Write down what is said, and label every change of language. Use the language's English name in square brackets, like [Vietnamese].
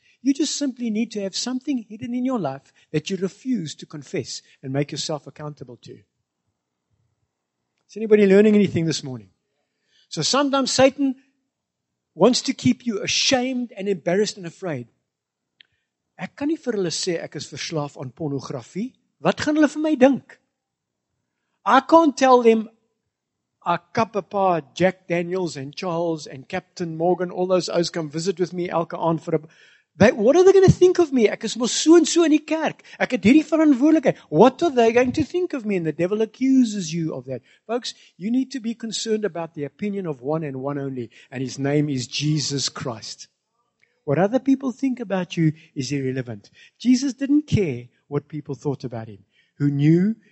[English] You just simply need to have something hidden in your life that you refuse to confess and make yourself accountable to. Is anybody learning anything this morning? So sometimes Satan wants to keep you ashamed and embarrassed and afraid. [Afrikaans] Ek kan nie vir hulle sê ek is verslaaf aan pornografie. Wat gaan hulle vir my dink? [English] I can't tell them I cup a par Jack Daniels and Charles and Captain Morgan, all those O's come visit with me [Afrikaans] elke aand [English] for a... What are they going to think of me? [Afrikaans] Ek is mos so en so in die kerk. Ek het hierdie verantwoordelikheid. [English] What are they going to think of me? And the devil accuses you of that. Folks, you need to be concerned about the opinion of one and one only, and His name is Jesus Christ. What other people think about you is irrelevant. Jesus didn't care what people thought about Him. Who knew?